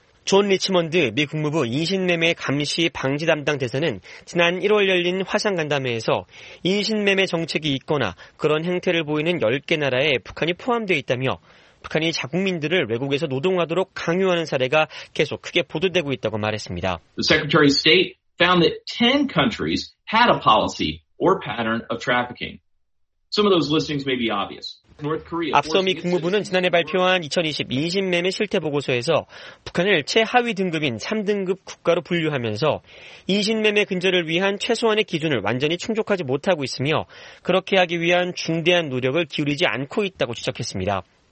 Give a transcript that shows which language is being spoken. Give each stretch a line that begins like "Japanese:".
Korean: 존 리치먼드 미 국무부 인신매매 감시 방지 담당 대사는 지난 1월 열린 화상 간담회에서 인신매매 정책이 있거나 그런 행태를 보이는 10개 나라에 북한이 포함되어 있다며 북한이 자국민들을 외국에서 노동하도록 강요하는 사례가 계속 크게 보도되고 있다고 말했습니다.
English: The Secretary of State found that 10 countries had a policy or pattern of trafficking. Some of those listings may be obvious.
Korean: 앞서 미 국무부는 지난해 발표한 2020 인신매매 실태 보고서에서 북한을 최하위 등급인 3등급 국가로 분류하면서 인신매매 근절을 위한 최소한의 기준을 완전히 충족하지 못하고 있으며 그렇게 하기 위한 중대한 노력을 기울이지 않고 있다고 지적했습니다.